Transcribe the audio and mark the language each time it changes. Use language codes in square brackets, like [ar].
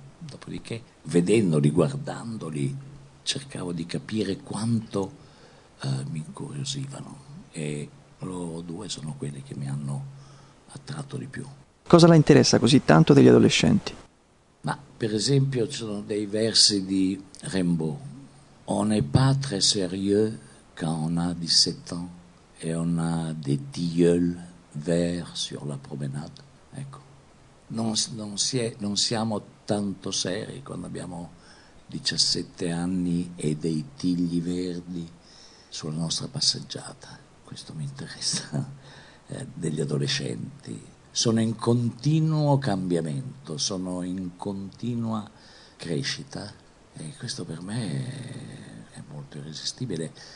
[it] Dopodiché, vedendoli, guardandoli, cercavo di capire quanto mi incuriosivano. E loro due sono quelli che mi hanno attratto di più. Cosa la interessa così tanto degli adolescenti? Ma, per esempio, ci sono dei versi di Rimbaud. [fr] On n'est pas très sérieux quand on a 17 ans et on a des tilleuls verts sur la promenade. [it] Ecco. Non siamo tanto seri quando abbiamo 17 anni e dei tigli verdi sulla nostra passeggiata. Questo mi interessa, degli adolescenti. Sono in continuo cambiamento, sono in continua crescita e questo per me è molto irresistibile.